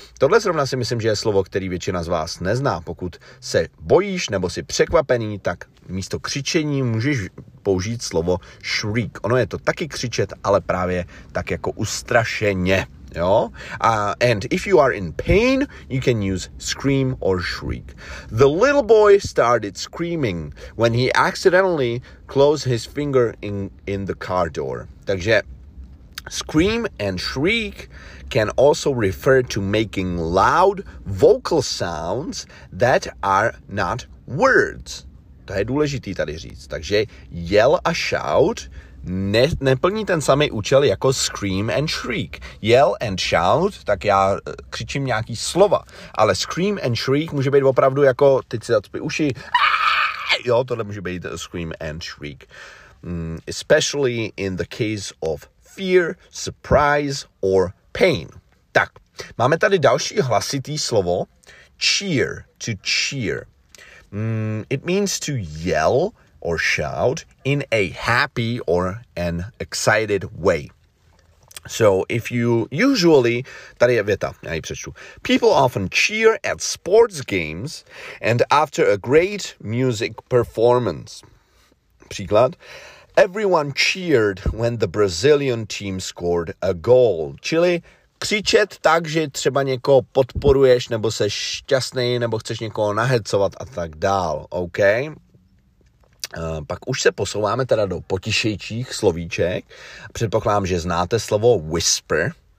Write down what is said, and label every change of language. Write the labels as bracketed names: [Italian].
[Czech] Tohle zrovna si myslím, že je slovo, který většina z vás nezná. Pokud se bojíš nebo jsi překvapený, tak místo křičení můžeš použít slovo shriek. Ono je to taky křičet, ale právě tak jako ustrašeně. Jo? [English] And if you are in pain, you can use scream or shriek. The little boy started screaming when he accidentally closed his finger in the car door. [Czech] Takže [English] scream and shriek can also refer to making loud vocal sounds that are not words. [Czech] To je důležitý tady říct. Takže yell a shout neplní ten samý účel jako scream and shriek. [English] Yell and shout, [Czech] tak já křičím nějaký slova. Ale [English] scream and shriek [Czech] může být opravdu jako, teď si zacpí uši, jo, tohle může být scream and shriek. [English] Especially in the case of fear, surprise or pain. [Czech] Tak, máme tady další hlasitý slovo. Cheer, to cheer. [English] It means to yell or shout in a happy or an excited way. So if you usually, [Czech] tady je věta, já ji přečtu. [English] People often cheer at sports games and after a great music performance. [Czech] Příklad. [English] Everyone cheered when the Brazilian team scored a goal. [Czech] Čili křičet tak, že třeba někoho podporuješ, nebo seš šťastný, nebo chceš někoho nahecovat a tak dál. Okay? Pak už se posouváme teda do potišejších slovíček. Předpokládám, že znáte slovo whisper.